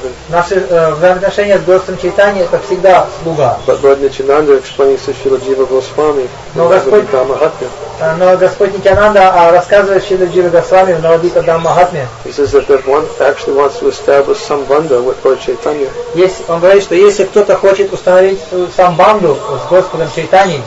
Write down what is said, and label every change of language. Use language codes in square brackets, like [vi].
[ru] Наши взаимоотношения с Господом Чайтаньем, это всегда слуга. [en] But Lord Nityananda explains to Srila Jiva Goswami, [ru] но Господь Нитянанда рассказывает Шрила Джива Госвами в Навадвипа Даммахатме. [en] He says that if one actually wants to establish sambandha with Lord Chaitanya. [ru] Он говорит, что если кто-то хочет установить самбанду с Господом Чайтаньей,